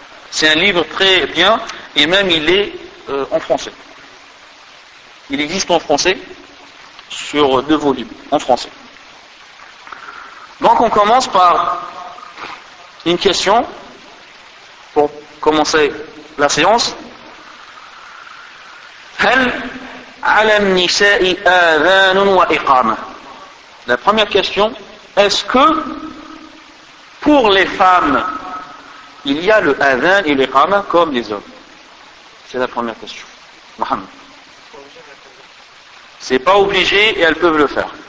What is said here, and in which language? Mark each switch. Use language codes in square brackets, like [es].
[fr] C'est un livre très bien et même il est en français, il existe en français sur 2 volumes en français. Donc on commence par une question pour commencer la séance. [ar] هل على النساء آذان وإقامة? [fr] La première question, est-ce que pour les femmes il y a le adhan et l'iqama comme les hommes? C'est la première question. Mohamed. C'est pas obligé et elles peuvent le faire.